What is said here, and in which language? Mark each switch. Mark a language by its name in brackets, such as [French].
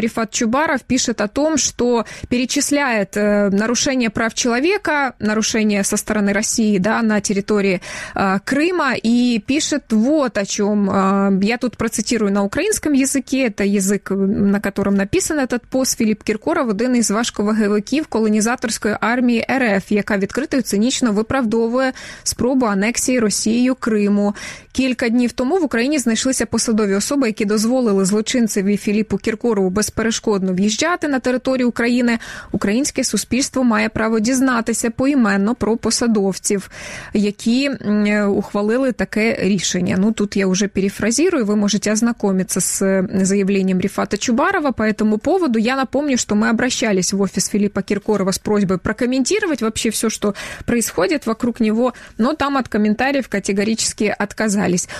[Russian] Рифат Чубаров пишет о том, что перечисляет нарушение прав человека, нарушение со стороны России, да, на территории Крыма, и пишет вот о чем. Я тут процитирую на украинском языке, это язык, на котором написан этот пост. [Ukrainian] Филипп Киркоров – [Russian] один из [Ukrainian] важких вагевиків колонізаторської армії РФ, яка відкрито і цинічно виправдовує спробу анексії Росією Криму. Кілька днів тому в Україні знайшлися посадові особи, які дозволили злочинцеві Філіппу Киркорову безперешкодно в'їжджати на територію України. Українські мовчки суспільство має право дізнатися поіменно про посадовців, які ухвалили таке рішення. Ну, тут я вже перефразирую, ви можете [Russian] ознакомиться [Ukrainian] з [Russian] заявлением Рифата Чубарова по этому поводу. Я напомню, что мы обращались в офис Филиппа Киркорова с просьбой прокомментировать вообще все, что происходит вокруг него, но там от комментариев категорически отказались.